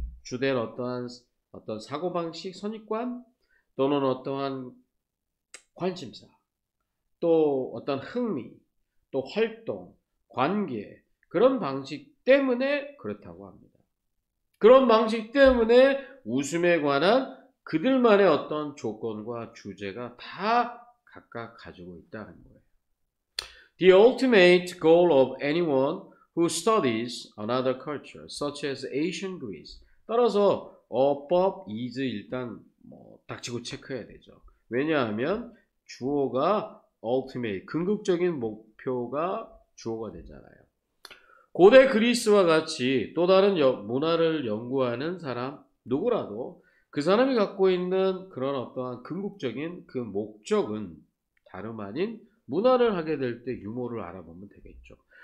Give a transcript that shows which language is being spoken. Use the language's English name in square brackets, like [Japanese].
[Korean] 주된 어떤 사고방식, 선입관, 또는 어떠한 관심사, 또 어떤 흥미, 또 활동, 관계, 그런 방식 때문에 그렇다고 합니다. 그런 방식 때문에 웃음에 관한 그들만의 어떤 조건과 주제가 다 각각 가지고 있다는 거예요. [English] The ultimate goal of anyone who studies another culture, such as ancient Greece. [Korean] 따라서 어법 is 일단 뭐 닥치고 체크해야 되죠. 왜냐하면 주어가 ultimate, 궁극적인 목표가 주어가 되잖아요. 고대 그리스와 같이 또 다른 문화를 연구하는 사람 누구라도 그 사람이 갖고 있는 그런 어떠한 궁극적인 그 목적은 다름 아닌 문화를 하게 될때 유머를 알아보면 되겠죠.